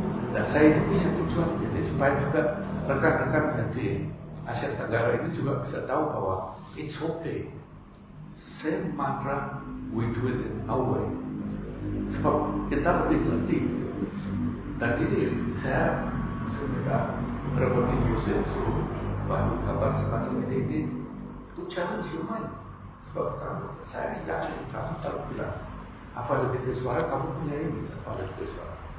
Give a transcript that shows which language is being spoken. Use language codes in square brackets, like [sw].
[id] Dan saya itu punya tujuan, jadi supaya juga rekan-rekan di Asia Tenggara ini juga bisa tahu bahwa [en] it's okay. Same mantra, we do it in our way. [id] Sebab kita lebih ngerti. Dan ini saya sebenarnya merepotin Yusuf suruh bahwa kabar semacam ini itu [en] challenge your mind. [id] Sebab kamu, saya yakin kamu kalau bilang apa lebih dari suara, kamu punya ini apa lebih dari suara.